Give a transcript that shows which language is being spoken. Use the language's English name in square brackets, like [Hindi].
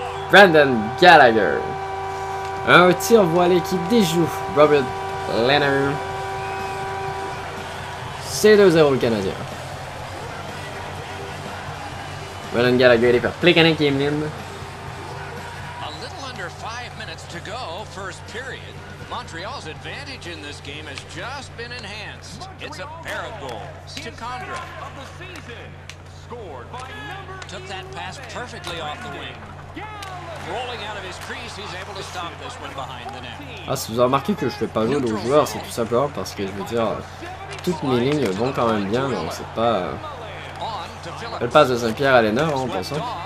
[French] Brandon Gallagher. Un tir voilé qui déjoue Robert Lehner. C'est 2-0 le Canadien. Brandon Gallagher est par Plekanec et Emeline. [English] A little under 5 minutes to go, first period. Montreal's advantage in this game has just been enhanced. It's a pair of goals to Condra. Took that pass perfectly off the wing. Rolling out of his crease, he's able to stop this one behind the net. [French] Ah, si vous avez remarqué que je fais pas jouer aux joueurs, c'est tout simplement parce que je veux dire, toutes mes lignes vont quand même bien, donc c'est pas. Elle passe de Saint-Pierre à Lehner, en pensant.